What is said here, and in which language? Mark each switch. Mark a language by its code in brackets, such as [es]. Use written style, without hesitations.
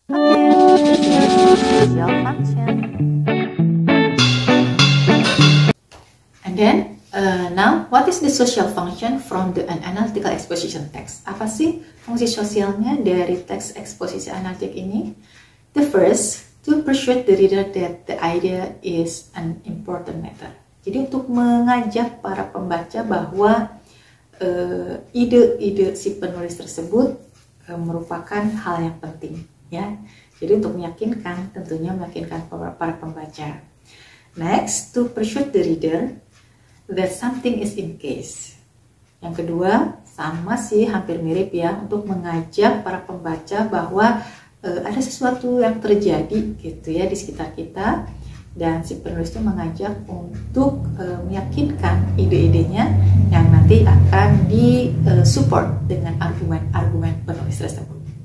[en] Okay, your function. And then now, what is the social function from the analytical exposition text? [id] Apa sih fungsi sosialnya dari teks eksposisi analitik ini? [en] The first, to persuade the reader that the idea is an important matter. [id] Jadi untuk mengajak para pembaca bahwa ide-ide si penulis tersebut merupakan hal yang penting, ya. Jadi untuk meyakinkan, tentunya meyakinkan para pembaca. [en] Next, to persuade the reader that something is in case. [id] Yang kedua, sama sih, hampir mirip ya, untuk mengajak para pembaca bahwa ada sesuatu yang terjadi gitu ya di sekitar kita, dan si penulis itu mengajak untuk meyakinkan ide-idenya yang nanti akan di support dengan argumen-argumen penulis tersebut.